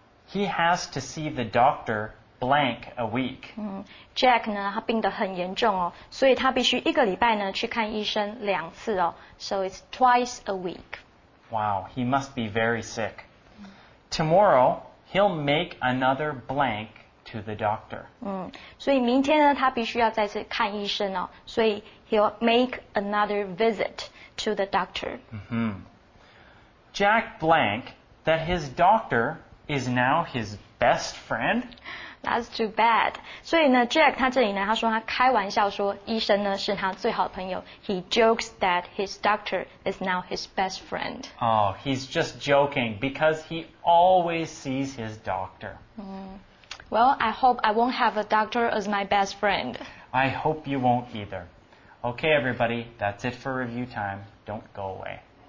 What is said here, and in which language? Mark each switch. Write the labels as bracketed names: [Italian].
[English] He has to see the doctor blank a week. [Chinese] 嗯 ，Jack 呢他病得很严重哦，所以他必须一个礼拜呢去看医生两次哦 ， [English] so it's twice a week. Wow, he must be very sick. Tomorrow, he'll make another blank to the doctor. [Chinese] 所以明天呢他必须要再次看医生哦。 [English] 所以 he'll make another visit to the doctor. Mm-hmm. Jack blank that his doctor is now his best friend? That's too bad. [Chinese] 所以呢 Jack 他这里呢他说他开玩笑说医生呢是他最好的朋友。 [English] He jokes that his doctor is now his best friend. Oh, he's just joking because he always sees his doctor. Well, I hope I won't have a doctor as my best friend. I hope you won't either. Okay, everybody, that's it for review time. Don't go away.